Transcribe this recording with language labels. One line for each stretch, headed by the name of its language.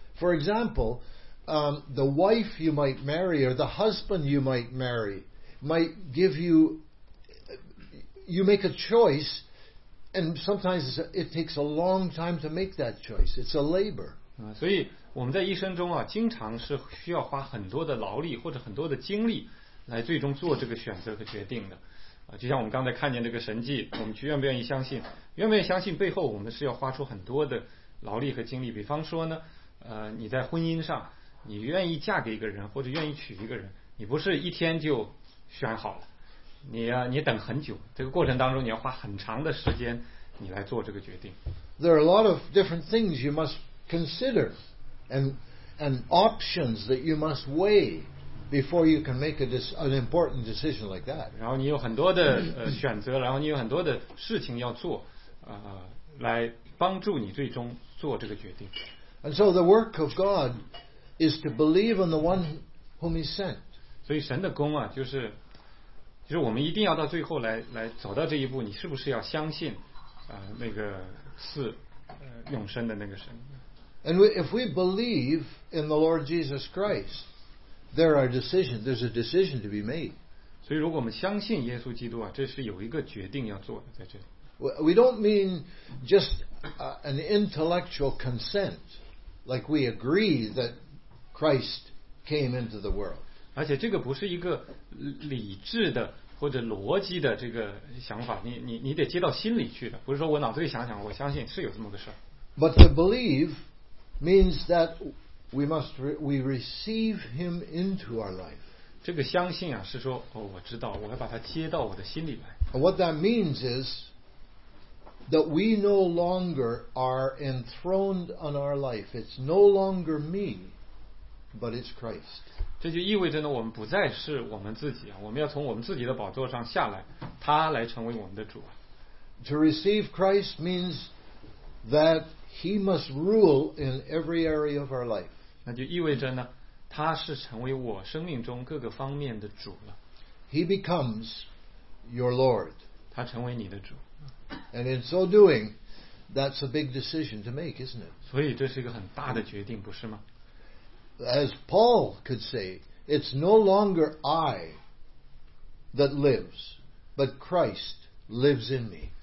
English: For example, the wife you might marry or the husband you might marry might give you. You make a choice, and sometimes it takes a long time to make that choice. It's a labor.
Chinese: 所以。我们在一生中啊，经常是需要花很多的劳力或者很多的精力来最终做这个选择和决定的啊。就像我们刚才看见这个神迹，我们去愿不愿意相信，愿不愿意相信背后我们是要花出很多的劳力和精力。比方说呢，你在婚姻上你愿意嫁给一个人或者愿意娶一个人，你不是一天就选好了，你等很久，这个过程当中你要花很长的时间你来做这个决定。
English: There are a lot of different things you must consider and options that you must weigh before you can make an important decision like that.
Chinese: 然后你有很多的选择，然后你有很多的事情要做，来帮助你最终做这个决定。
English: And so the work of God is to believe in the one whom He sent.
Chinese: 所以神的工啊，就是我们一定要到最后来走到这一步，你是不是要相信那个是永生的那个神？
English: And if we believe in the Lord Jesus Christ, there are decisions. There's a decision to be made.
Chinese: 所以如果我们相信耶稣基督啊，这是有一个决定要做的在这里。
English: We don't mean just an intellectual consent, like we agree that Christ came into the world.
Chinese: 而且这个不是一个理智的或者逻辑的这个想法，你得接到心里去的，不是说我脑子里想想，我相信是有这么个事儿。
English: But to believe. Means that we receive him into our life.
Chinese: 这个相信啊，是说哦，我知道，我要把他接到我的心里来。
English: What that means is that we no longer are enthroned on our life. It's no longer me, but it's Christ.
Chinese: 这就意味着呢，我们不再是我们自己啊，我们要从我们自己的宝座上下来，他来成为我们的主啊。
English: To receive Christ means that. He must rule in every area of our life.
Chinese: 那就意味着呢，他是成为我生命中各个方面的主了。
English: He becomes your Lord.
Chinese: 他成为你的主。
English: And in so doing, that's a big decision to make, isn't it?
Chinese: 所以这是一个很大的决定，不是吗？
English: As Paul could say, it's no longer I that lives, but Christ lives in me.